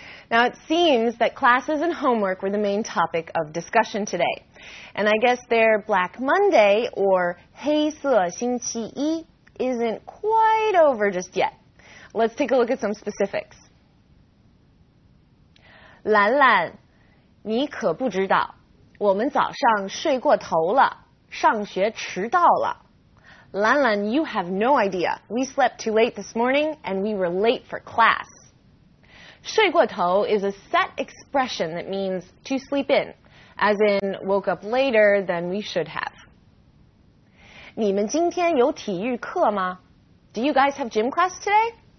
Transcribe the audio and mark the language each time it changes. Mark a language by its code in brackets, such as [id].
[en] Now, it seems that classes and homework were the main topic of discussion today. And I guess their Black Monday, or 黑色星期一, isn't quite over just yet. Let's take a look at some specifics. [zh] 兰兰，你可不知道，我们早上睡过头了，上学迟到了。 [en] 兰兰， you have no idea. We slept too late this morning and we were late for class. 睡过头 is a set expression that means to sleep in, as in woke up later than we should have. [zh] 你们今天有体育课吗？ [en] Do you guys have gym class today?